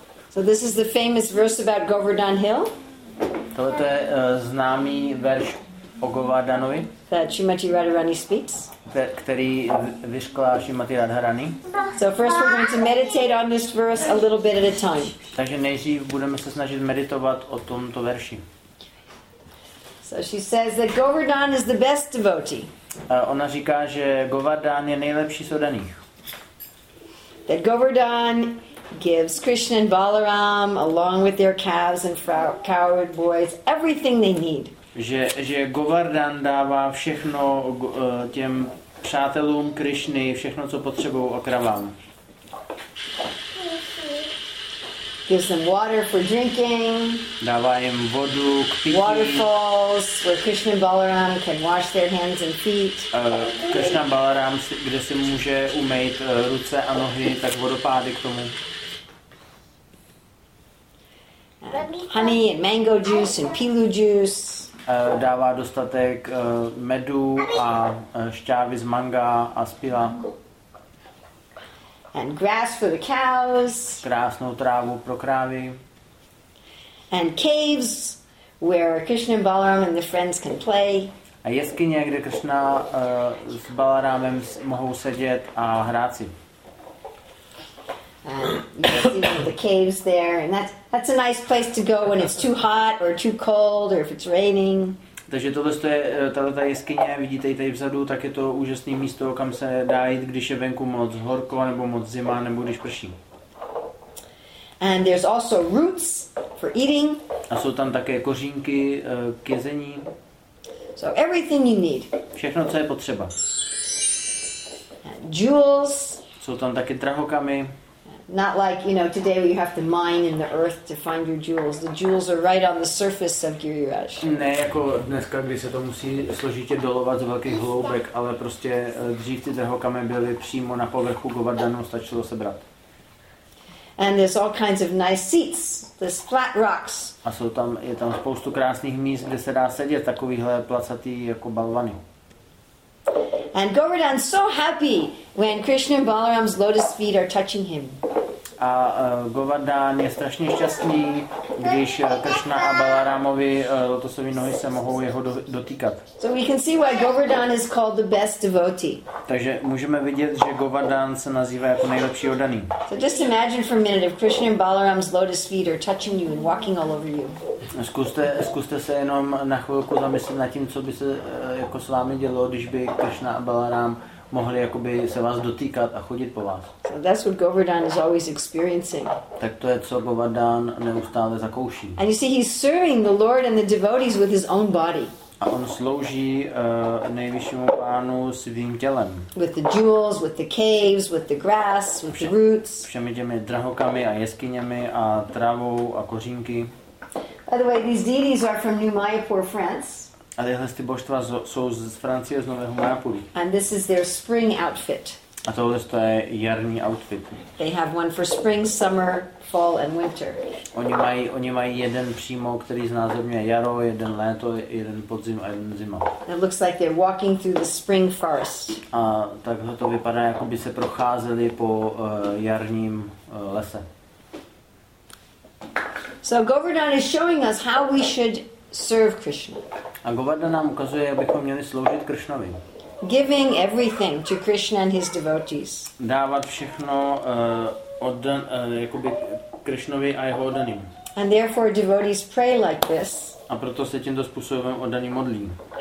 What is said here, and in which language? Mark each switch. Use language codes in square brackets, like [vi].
[en] So this is the famous verse about Govardhan Hill. [cs] Tohle je známý verš o Govardhanovi. [en] That Srimati Radharani speaks. [cs] Který vyřkla Srimati Radharani. [en] So first we're going to meditate on this verse a little bit at a time. [cs] Takže nejdřív budeme se snažit meditovat o tomto verši. [en] So she says that Govardhan is the best devotee. [cs] Ona říká, že Govardhan je nejlepší z oddaných. [en] That Govardhan gives Krishna and Balaram, along with their calves and cowherd boys, everything they need. [cs] Že Govardhan dává všechno těm přátelům Krišny, všechno, co potřebují, a kravám. [en] Gives them water for drinking. [cs] Dává jim vodu k pití. [en] Waterfalls where Krishna and Balaram can wash their hands and feet. [cs] Krishna Balaram, kde si může umýt ruce a nohy, tak vodopády k tomu. [en] Honey and mango juice and pilu juice. [cs] Dává dostatek medu a šťávy z manga a z pila. [en] And grass for the cows. [cs] Krásnou trávu pro krávy. [en] And caves where Krishna and Balaram and their friends can play. [cs] A jeskyně, kde Krishna s Balaramem mohou sedět a hrát si. [en] The caves there, and that's a nice place to go when it's too hot or too cold or if it's raining. [cs] Takže tohle je tato jeskyně, vidíte tady vzadu, tak je to úžasné místo, kam se dá jít, když je venku moc horko nebo moc zima nebo když prší. [en] And there's also roots for eating. [cs] A jsou tam také kořínky k jezení. [en] So everything you need. [cs] Všechno, co je potřeba. [en] And jewels. [cs] Jsou tam také drahokamy. [en] Not like, you know, today where you have to mine in the earth to find your jewels. The jewels are right on the surface of Giriraj. [cs] Ne jako dneska, kdy se to musí složitě dolovat z velkých hloubek, ale prostě dřív ty drahokamy byly přímo na povrchu Govardhanu, stačilo se brát. [en] And there's all kinds of nice seats, there's flat rocks. [cs] A jsou tam, je tam spoustu krásných míst, kde se dá sedět, takovýhle placatý jako balvany. [en] And Govardhan's so happy when Krishna and Balaram's lotus feet are touching him. [cs] A Govardhan je strašně šťastný, když Krishna a Balaramovi lotosové nohy se mohou jeho dotýkat. [en] So we can see why Govardhan is called the best devotee. [cs] Takže můžeme vidět, že Govardhan se nazývá jako nejlepší oddaný. [en] So just imagine for a minute if Krishna and Balaram's lotus feet are touching you and walking all over you. [cs] Zkuste se jenom na chvilku zamyslet nad tím, co by se jako s vámi dělo, když by Krishna a Balaram mohli jakoby se vás dotýkat a chodit po vás. [en] So that's what Govardhan is always experiencing. [cs] Tak to je, co Govardhan neustále zakouší. [en] And you see, he's serving the Lord and the devotees with his own body. [cs] A on slouží nejvyššímu pánu svým tělem. [en] With the jewels, with the caves, with the grass, with the roots. [cs] Všemi těmi drahokamy a jeskyněmi a travou a kořínky. [en] By the way, these deities are from New Mayapur, France. [cs] A tyhle ty božstva jsou z Francie, z Nového Mayapuru. [en] And this is their spring outfit. [cs] A tohle to je jarní outfit. [en] They have one for spring, summer, fall and winter. [cs] Oni mají jeden přímo, který znázorňuje jaro, jeden léto, jeden podzim a jeden zima. [en] It looks like they're walking through the spring forest. [cs] A takhle to vypadá, jako by se procházeli po jarním lese. [en] So Govardhan is showing us how we should serve Krishna. [cs] A Govardhan nám ukazuje, jak bychom měli sloužit Krishnovi. [en] Giving everything to Krishna and his devotees. [cs] Dávat všechno jakoby Krishnovi a jeho oddaným. [en] And therefore devotees pray like this. [cs] A proto se tímto způsobem oddaní modlí.